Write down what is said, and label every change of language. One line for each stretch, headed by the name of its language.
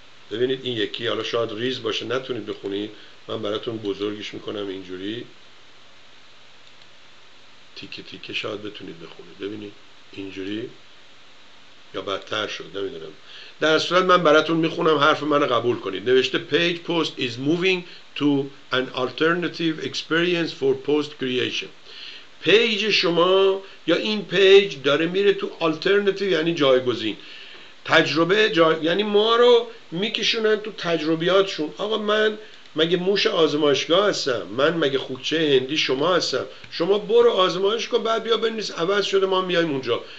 Persian: ببینید این یکی، حالا شاید ریز باشه نتونید بخونید، من براتون بزرگش میکنم اینجوری تیکه تیکه، شاید بتونید بخونید. ببینید اینجوری یا بدتر شد نمیدونم، در صورت من براتون میخونم حرف من رو قبول کنید. نوشته
English: page post is moving to an alternative experience for post creation.
Persian: پیج شما یا این پیج داره میره تو آلترنتیو، یعنی جایگزین تجربه یعنی ما رو میکشونن تو تجربیاتشون. آقا من مگه موش آزمایشگاه هستم؟ من مگه خوکچه هندی شما هستم؟ شما برو آزمایش کن بعد بیا بنویس عوض شده ما میایم اونجا.